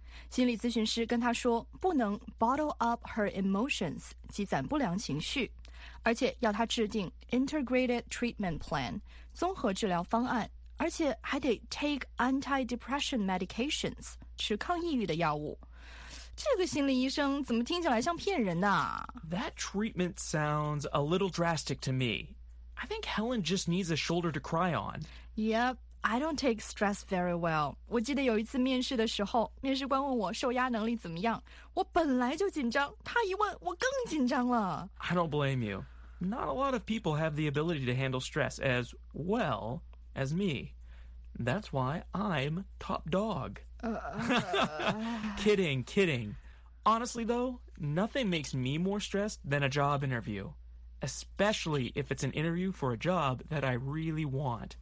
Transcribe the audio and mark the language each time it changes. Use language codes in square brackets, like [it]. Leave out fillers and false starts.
[zh] 心理咨询师跟她说，不能 [en] bottle up her emotions， [zh] 积攒不良情绪，而且要她制定 [en] integrated treatment plan， [zh] 综合治疗方案，而且还得 [en] take antidepressant medications， [zh] 吃抗抑郁的药物。这个心理医生怎么听起来像骗人呢？ [en] That treatment sounds a little drastic to me. I think Helen just needs a shoulder to cry on. Yep, I don't take stress very well. [zh] 我记得有一次面试的时候，面试官问我受压能力怎么样，我本来就紧张，他一问我更紧张了。 [en] I don't blame you. Not a lot of people have the ability to handle stress as well as me. That's why I'm top dog. kidding. Honestly, though, nothing makes me more stressed than a job interview, especially if it's an interview for a job that I really want.